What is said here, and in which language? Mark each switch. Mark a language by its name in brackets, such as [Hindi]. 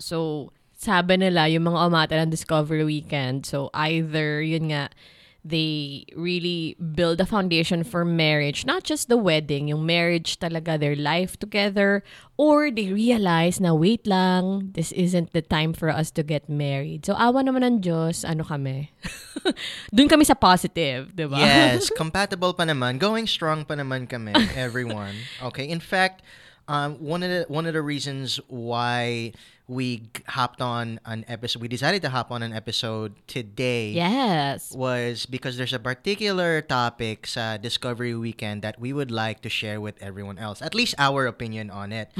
[Filipino] So, sabi nila, yung mga umate ng Discovery Weekend. So, either, yun nga, [English] they really build a foundation for marriage, not just the wedding, [Filipino] yung marriage talaga, [English] their life together, or they realize na wait lang, this isn't the time for us to get married. [Filipino] So awa naman ng Diyos, ano kami? Doon kami sa positive, diba? [English] Yes, compatible pa naman, going strong pa naman kami, everyone. Okay, in fact, one of the reasons why we hopped on an episode, we decided to hop on an episode today. Yes. Was because there's a particular topic sa Discovery Weekend that we would like to share with everyone else, at least our opinion on it.